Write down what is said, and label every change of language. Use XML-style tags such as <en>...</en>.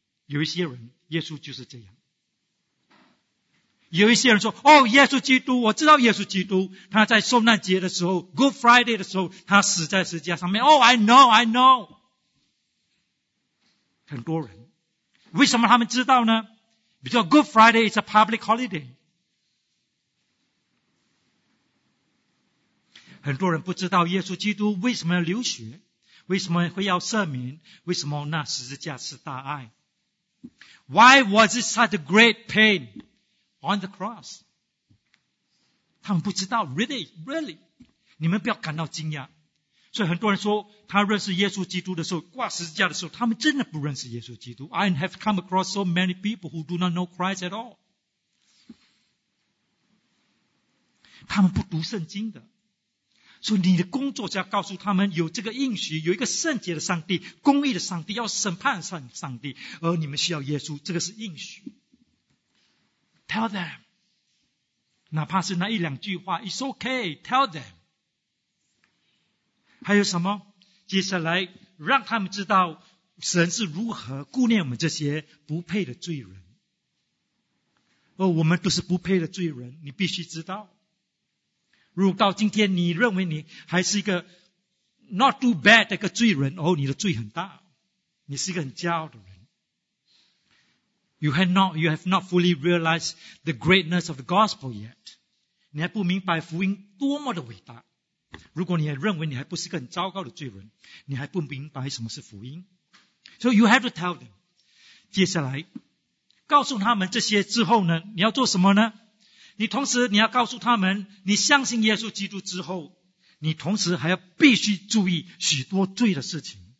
<zh>有一些人耶稣就是这样，有一些人说，哦，耶稣基督，我知道耶稣基督，他在受难节的时候， Good Friday 的时候，他死在十字架上面。</zh> <en>Oh, I know, I know。</en> <zh>很多人为什么他们知道呢？比如说</zh> <en>Good Friday is a public holiday。</en> <zh>很多人不知道耶稣基督为什么要流血，为什么会要赦免，为什么那十字架是大爱。</zh> <en>Why was it such a great painOn the cross，</en> <zh>他们不知道。</zh> <en>Really, really，</en> <zh>你们不要感到惊讶。所以很多人说，他认识耶稣基督的时候，挂十字架的时候，他们真的不认识耶稣基督。</zh> <en>I have come across so many people who do not know Christ at all。</en> <zh>他们不读圣经的，所以你的工作就要告诉他们，有这个应许，有一个圣洁的上帝，公义的上帝，要审判上帝，而你们需要耶稣，这个是应许。</zh> <en>Tell them，</en> <zh>哪怕是那一两句话</zh> <en>It's okay, tell them。</en> <zh>还有什么？接下来让他们知道神是如何顾念我们这些不配的罪人。哦，我们都是不配的罪人，你必须知道。如果到今天你认为你还是一个</zh> <en>not too bad</en> <zh>的一个罪人，哦，你的罪很大，你是一个很骄傲的人。</zh> <en>You have not fully realized the greatness of the gospel yet.</en> <zh>你还不明白福音多么的伟大。如果你还认为你还不是个很糟糕的罪人，你还不明白什么是福音。</zh> <en>So you have to tell them.</en> <zh>接下来，告诉他们这些之后呢，你要做什么呢？你同时你要告诉他们，你相信耶稣基督之后，你同时还要必须注意许多罪的事情。</zh>